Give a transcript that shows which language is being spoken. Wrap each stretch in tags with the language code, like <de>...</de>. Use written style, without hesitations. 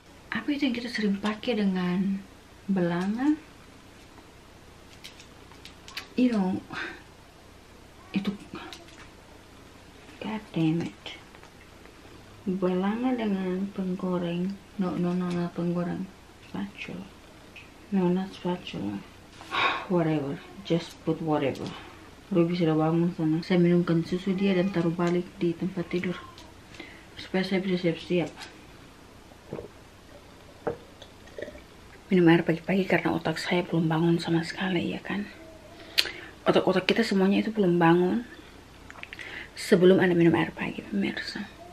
<id>apa itu yang kita sering pakai dengan belangan?</id> <en>You know, itu God damn it,</en> <id>belangan dengan penggoreng.</id> <en>No, penggoreng spatula. No, not spatula. Whatever, just put whatever.</en> <id>Ruby sudah bangun sana. Saya minumkan susu dia dan taruh balik di tempat tidur supaya saya bisa siap-siap minum air pagi-pagi karena otak saya belum bangun sama sekali, ya kan? Otak-otak kita semuanya itu belum bangun sebelum Anda minum air pagi, pemirsa.</id>